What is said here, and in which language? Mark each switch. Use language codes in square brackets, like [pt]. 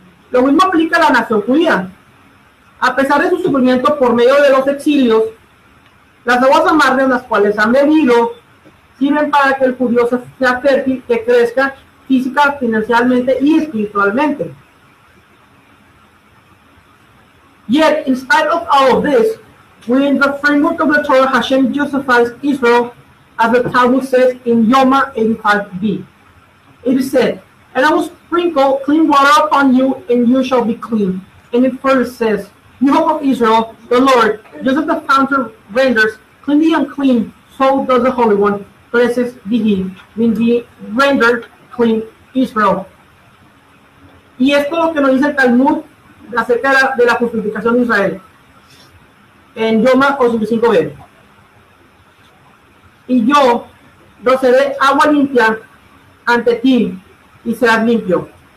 [es] Lo mismo aplica a la nación judía. A pesar de su sufrimiento por medio de los exilios, las aguas amargas las cuales han bebido sirven para que el judío sea fértil, que crezca física, financieramente y espiritualmente. [en] Yet, in spite of all of this, within the framework of the Torah, Hashem justifies Israel, as the Talmud says in Yoma 85b. It is said, "And I will sprinkle clean water upon you, and you shall be clean." And it further says, "You hope of Israel, the Lord, just as the fountain renders clean the unclean, so does the Holy One, blessed be He, when He rendered clean Israel." [es] Y esto es lo que nos dice el Talmud acerca de la justificación de Israel en Yoma 85b. Y yo rociaré agua limpia ante ti y serás limpio.